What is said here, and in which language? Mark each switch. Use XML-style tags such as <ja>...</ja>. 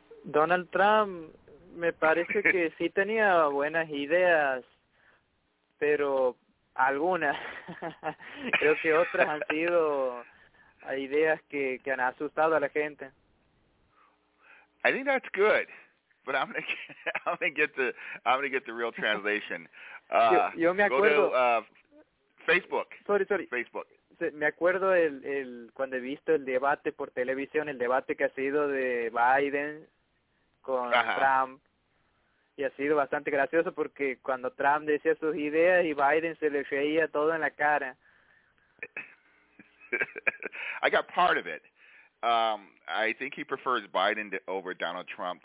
<es>Donald Trump me parece que sí tenía buenas ideas, pero algunas. Creo que otras han sido ideas que han asustado a la gente.</es> <en>I think that's good, but I'm gonna get the real translation.</en> <es>Yo me acuerdo.</es> <en>Go to Facebook. Sorry. Facebook.</en> <es>Me acuerdo el cuando he visto el debate por televisión, el debate que ha sido de Biden con Trump, y ha sido bastante gracioso porque cuando Trump decía sus ideas y Biden se le reía todo en la cara.</es> <en>I got part of it. I think he prefers Biden over Donald Trump.</en>